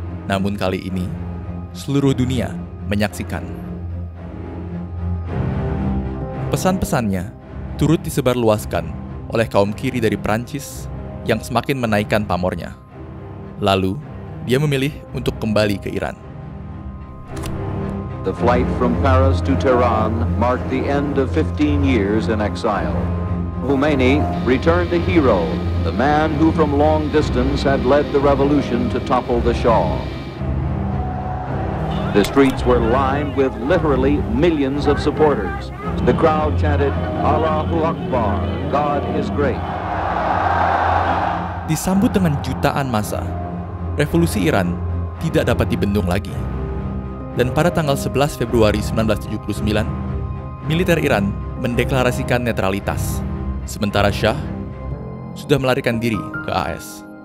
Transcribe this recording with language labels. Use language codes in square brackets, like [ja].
[id] Namun kali ini, seluruh dunia menyaksikan. Pesan-pesannya turut disebarluaskan oleh kaum kiri dari Prancis yang semakin menaikkan pamornya. Lalu, dia memilih untuk kembali ke Iran. [en] The flight from Paris to Tehran marked the end of 15 years in exile. Khomeini returned a hero, the man who from long distance had led the revolution to topple the Shah. The streets were lined with literally millions of supporters. The crowd chanted, Allahu Akbar, God is great. [id] Disambut dengan jutaan massa, revolusi Iran tidak dapat dibendung lagi. Dan pada tanggal 11 Februari 1979, militer Iran mendeklarasikan netralitas, sementara Syah sudah melarikan diri ke AS.